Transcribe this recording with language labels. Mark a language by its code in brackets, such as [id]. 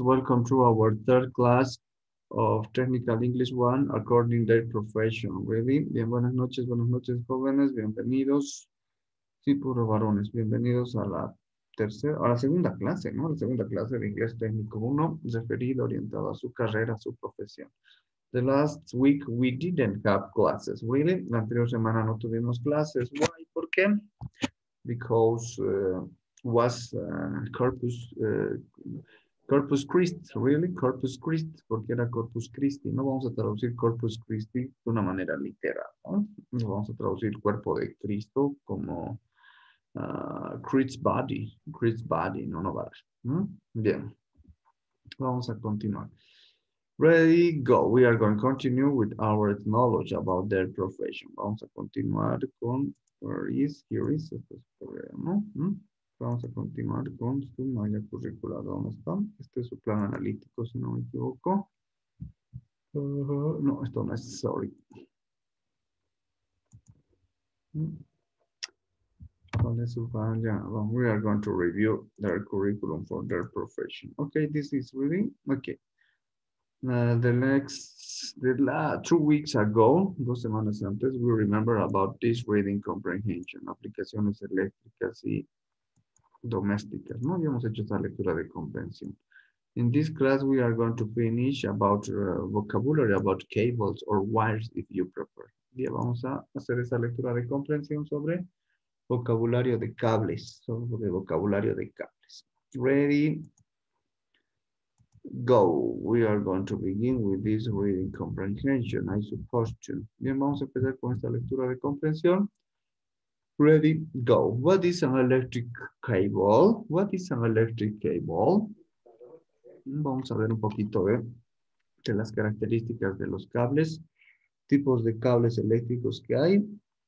[en] Welcome to our third class of Technical English 1 according to their profession. [es] Really? Bien, buenas noches jóvenes, bienvenidos. Sí, puro varones, bienvenidos a la tercera, a la segunda clase, ¿no? La segunda clase de inglés técnico 1, referido, orientado a su carrera, a su profesión. [en] The last week we didn't have classes, really? [es] La anterior semana no tuvimos clases. Why? ¿Por qué? [en] Because was Corpus Christi, really? [es] Corpus Christi, porque era Corpus Christi. No vamos a traducir Corpus Christi de una manera literal, ¿no? No vamos a traducir el cuerpo de Cristo como Christ's body, no, no vale. Bien, vamos a continuar. [en] Ready, go. We are going to continue with our knowledge about their profession. [es] Vamos a continuar con... [en] Where is, here is, [es] este es el programa, ¿no? Vamos a continuar con su malla curricular. ¿Dónde está? Este es su plan analítico, si no me equivoco. No, esto no es, sorry. ¿Dónde es su malla? [en] Well, we are going to review their curriculum for their profession. Okay, this is really, okay. [es] Dos semanas antes, [en] we remember about this reading comprehension, [es] aplicaciones eléctricas y domésticas, ¿no? Ya hemos hecho esta lectura de comprensión. [en] In this class, we are going to finish about vocabulary, about cables or wires, if you prefer. [es] Ya vamos a hacer esta lectura de comprensión sobre vocabulario de cables, sobre vocabulario de cables. [en] Ready? Go. We are going to begin with this reading comprehension, I suppose. [es] Bien, vamos a empezar con esta lectura de comprensión. [en] Ready? Go. What is an electric cable? What is an electric cable? [es] Vamos a ver un poquito de las características de los cables, tipos de cables eléctricos que hay.